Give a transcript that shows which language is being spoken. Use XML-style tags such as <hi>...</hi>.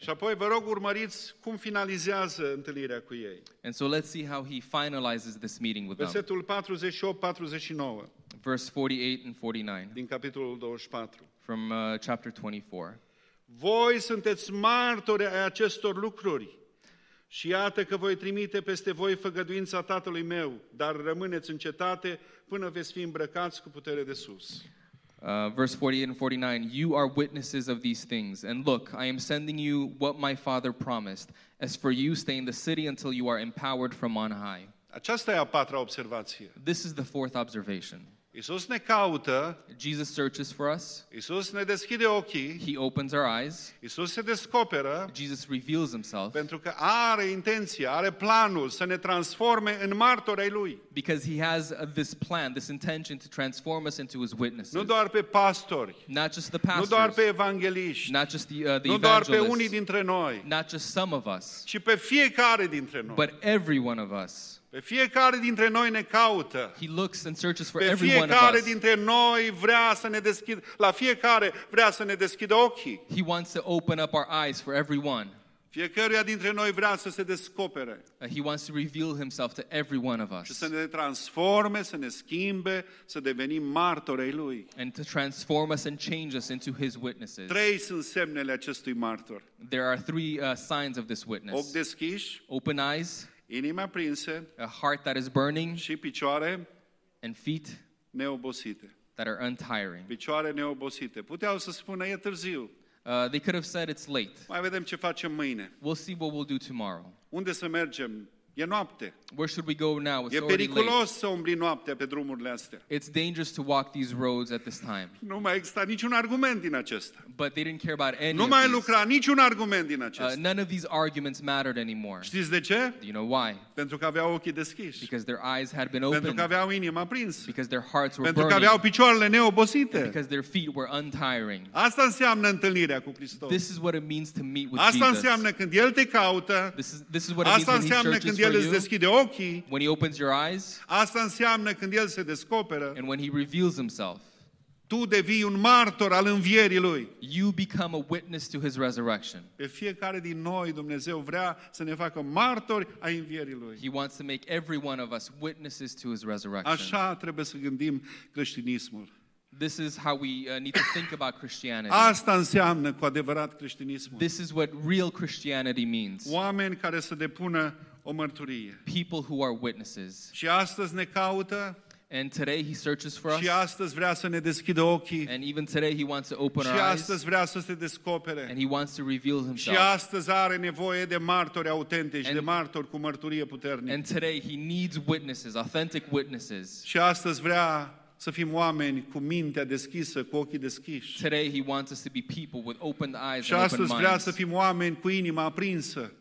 <ro>Și apoi vă rog urmăriți cum finalizează întâlnirea cu ei.</ro> <en>And so let's see how he finalizes this meeting with</en> <ro>Versetul</ro> <en>them.</en> <ro>Versetul 48-49.</ro> <en>Verse 48 and 49.</en> <ro>Din capitolul 24.</ro> <en>From chapter 24.</en> <ro>Voi sunteți martori ai acestor lucruri și iată că voi trimite peste voi făgăduința Tatălui meu, dar rămâneți în cetate până veți fi îmbrăcați cu putere de sus.</ro> <en>Verse 48 and 49, you are witnesses of these things, and look, I am sending you what my father promised. As for you, stay in the city until you are empowered from on high.</en> <ro>Aceasta e a patra observație.</ro> <en>This is the fourth observation.</en> <ro>Isus ne caută.</ro> <en>Jesus searches for us.</en> <ro>Isus ne deschide ochii.</ro> <en>He opens our eyes.</en> <ro>Isus se descoperă.</ro> <en>Jesus reveals himself.</en> <ro>Pentru că are intenția, are planul să ne transforme în martori ai lui.</ro> <en>Because he has this plan, this intention to transform us into his witnesses.</en> <ro>Nu doar pe pastori.</ro> <en>Not just the pastors.</en> <ro>Nu doar pe evangeliști.</ro> <en>Not just the evangelists.</en> <ro>Nu doar pe unii dintre noi.</ro> <en>Not just some of us.</en> <ro>Ci pe fiecare dintre noi.</ro> <en>But every one of us.</en> <ro>Pe fiecare dintre noi ne caută.</ro> <en>He looks and searches for</en> <ro>pe</ro> <en>every</en> <ro>fiecare</ro> <en>one of us.</en> <ro>Dintre noi vrea să ne deschidă, la fiecare vrea să ne deschidă ochii.</ro> <en>He wants to open up our eyes for everyone.</en> <ro>Fiecăruia dintre noi vrea să se descopere.</ro> <en>He wants to reveal himself to every one of us.</en> <ro>Și să ne transforme, să ne schimbe, să devenim martori ai lui.</ro> <en>And to transform us and change us into his witnesses.</en> <ro>Trei sunt semnele acestui martor.</ro> <en>There are three signs of this witness.</en> <ro>Ochi deschiși,</ro> <en>open eyes.</en> <ro>Inima prinse,</ro> <en>a heart that is burning,</en> <ro>și picioare,</ro> <en>and feet</en> <ro>neobosite,</ro> <en>that are untiring.</en> <ro>Picioare neobosite. Puteau să spună, e târziu.</ro> <en>They could have said it's late.</en> <ro>Mai vedem ce facem mâine.</ro> <en>We'll see what we'll do tomorrow.</en> <ro>Unde să mergem? E noapte.</ro> <en>Where should we go now? It's</en> <ro>e periculos să umbli noaptea pe drumurile astea.</ro> <en>It's dangerous to walk these roads at this time.</en> <ro>Nu mai exista niciun argument din acesta.</ro> <en>But they didn't care about any.</en> <ro>Nu mai lucra niciun argument din acesta.</ro> <en>None of these arguments mattered anymore.</en> <ro>Știți de ce?</ro> <en>Do you know why?</en> <ro>Pentru că aveau ochii deschiși.</ro> <en>Because their eyes had been opened.</en> <ro>Pentru că aveau inima prinsă.</ro> <en>Because their hearts were</en> <ro>pentru</ro> <en>burning.</en> <ro>Pentru că aveau picioarele neobosite.</ro> <en>Because their feet were untiring.</en> <ro>Asta înseamnă întâlnirea cu Hristos.</ro> <en>This is what it means to meet with Jesus.</en> <ro>Asta înseamnă când El te caută.</ro> <en>This is what it means when He searches.</en> <ro>El îți deschide ochii.</ro> <en>When he opens your eyes.</en> <ro>Asta înseamnă când el se descoperă.</ro> <en>And when he reveals himself.</en> <ro>Tu devii un martor al învierii lui.</ro> <en>You become a witness to his resurrection.</en> <ro>Pe fiecare din noi Dumnezeu vrea să ne facă martori ai învierii lui.</ro> <en>He wants to make every one of us witnesses to his resurrection.</en> <ro>Așa trebuie să gândim creștinismul.</ro> <en>This is how we need to think about Christianity.</en> <ro>Asta înseamnă cu adevărat creștinismul.</ro> <en>This is what real Christianity means.</en> <ro>Oameni care să depună o mărturie.</ro> <en>People who are witnesses.</en> <ro>Și astăzi ne caută.</ro> <en>And today he searches for us.</en> <ro>Și astăzi vrea să ne deschidă ochii.</ro> <en>And even today he wants to open our eyes.</en> <ro>Și astăzi vrea să se descopere.</ro> <en>And he wants to reveal himself.</en> <ro>Și astăzi are nevoie de martori autentici, de martori cu mărturie puternică.</ro> <en>And today he needs witnesses, authentic witnesses.</en> <ro>Și astăzi vrea să fim oameni cu mintea deschisă, cu ochii deschiși.</ro> <en>Today he wants us to be people with open eyes.</en> <ro>Și astăzi vrea să fim oameni cu inima aprinsă.</ro>